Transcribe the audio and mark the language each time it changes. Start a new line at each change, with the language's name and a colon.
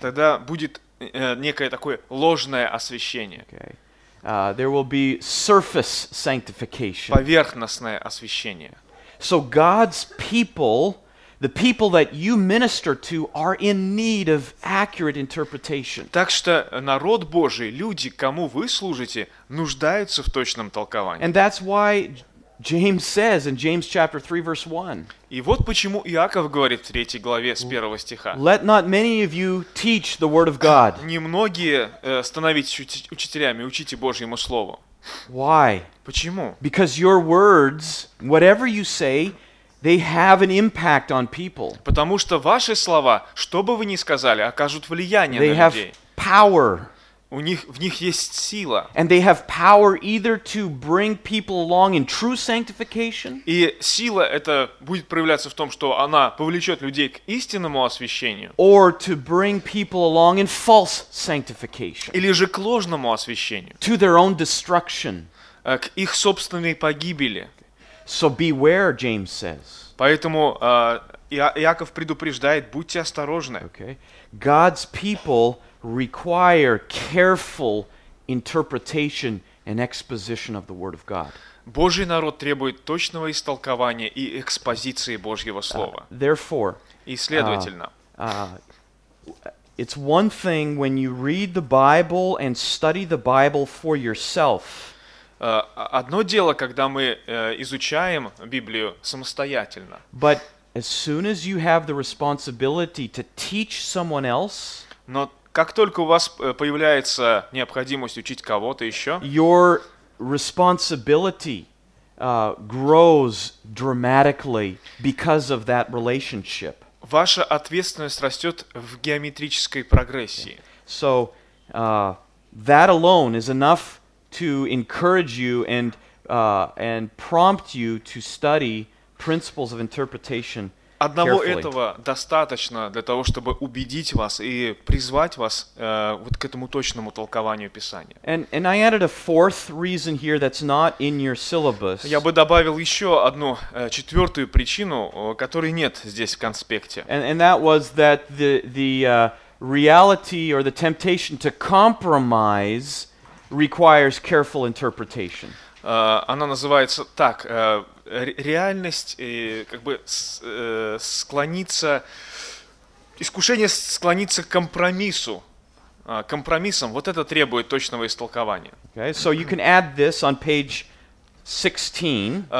Russian: Тогда будет некое такое ложное освящение.
English: Okay. There will be surface sanctification.
Russian: Поверхностное освящение.
English: So God's people, the people that you minister to, are in need of accurate interpretation.
Russian: Так что народ Божий, люди, кому вы служите, нуждаются в точном толковании.
English: And that's why James says in James chapter 3 verse 1.
Russian: И вот почему Иаков говорит в 3 главе с 1 стиха.
English: Let not many of you teach the word of God.
Russian: Немногие становитесь учителями, учите Божьему слову.
English: Why?
Russian: Почему?
English: Because your words, whatever you say, they have an impact on people.
Russian: Потому что ваши слова, что бы вы ни сказали, окажут влияние
English: they
Russian: на людей.
English: They have power.
Russian: У них, в них есть сила.
English: And they have power either to bring people along in true sanctification.
Russian: И сила эта будет проявляться в том, что она повлечет людей к истинному освящению.
English: Or to bring people along in false sanctification.
Russian: Или же к ложному освящению.
English: To their own destruction.
Russian: К их собственной погибели.
English: So beware, James says.
Russian: Поэтому Иаков предупреждает, будьте осторожны.
English: Okay. God's people require careful interpretation and exposition of the Word of God.
Russian: Божий народ требует точного истолкования и экспозиции Божьего слова.
English: Therefore,
Russian: и следовательно,
English: it's one thing when you read the Bible and study the Bible for yourself.
Russian: Одно дело, когда мы изучаем Библию самостоятельно.
English: But as soon as you have the responsibility to teach someone else,
Russian: но как только у вас появляется необходимость учить кого-то еще,
English: your responsibility grows dramatically because of that relationship.
Russian: Ваша ответственность растет в геометрической прогрессии.
English: So that alone is enough to encourage you and prompt you to study principles of interpretation.
Russian: Одного
English: carefully.
Russian: Этого достаточно для того, чтобы убедить вас и призвать вас вот к этому точному толкованию Писания.
English: And I added a fourth reason here that's not in your syllabus.
Russian: Я бы добавил еще одну четвертую причину, которой нет здесь в конспекте.
English: And that was that the reality or the temptation to compromise requires careful interpretation.
Russian: Она называется так. Реальность, как бы склониться, искушение склониться к компромиссу, компромиссам, вот это требует точного истолкования.
English: Okay, so you can add this on page 16.